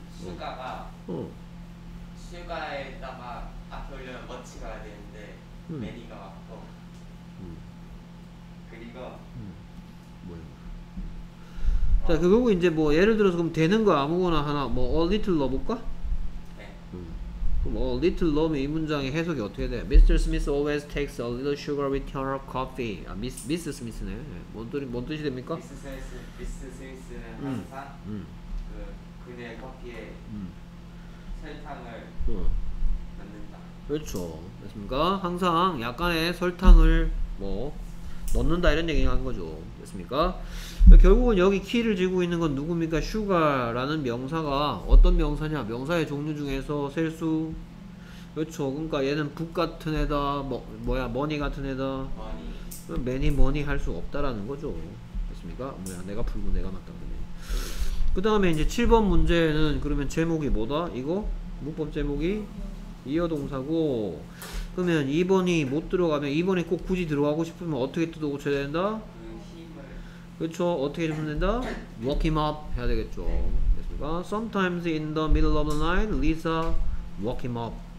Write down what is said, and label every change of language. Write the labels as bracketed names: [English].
[Korean] 슈가가 슈가에다가 앞에 올려면 머치가 해야 되는데 매니가 왔고 그리고 자, 그거고 이제 뭐 예를 들어서 그럼 되는 거 아무거나 하나 뭐 a little 넣어볼까? 네. 그럼 a little 넣으면 이 문장의 해석이 어떻게 돼? Mr. [English] Smith always takes a little sugar with her coffee. [Korean] 아, Miss Smith네. 뭔 뜻이 됩니까? Miss Smith는 항상 그 그녀의 커피에 설탕을 넣는다. 그렇죠. 됐습니까? 항상 약간의 설탕을 뭐 넣는다 이런 얘기를 한 거죠. 됐습니까? 결국은 여기 키를 쥐고 있는 건 누굽니까? sugar라는 명사가 어떤 명사냐? 명사의 종류 중에서 셀수? 그렇죠. 그러니까 얘는 북 같은 애다, 뭐야, 머니 같은 애다. 머니. 매니 머니 할 수 없다라는 거죠. 됐습니까? 뭐야, 내가 풀고 내가 맞다 그러네. 그 다음에 이제 7번 문제는 그러면 제목이 뭐다? 이거? 문법 제목이? 이어동사고. 그러면 2번이 못 들어가면, 2번이 꼭 굳이 들어가고 싶으면 어떻게 뜯어 고쳐야 된다? 그렇죠. 어떻게 해주면 된다? [English] Walk him up [Korean] 해야 되겠죠. 됐습니까? [English] Sometimes in the middle of the night, Lisa walk him up.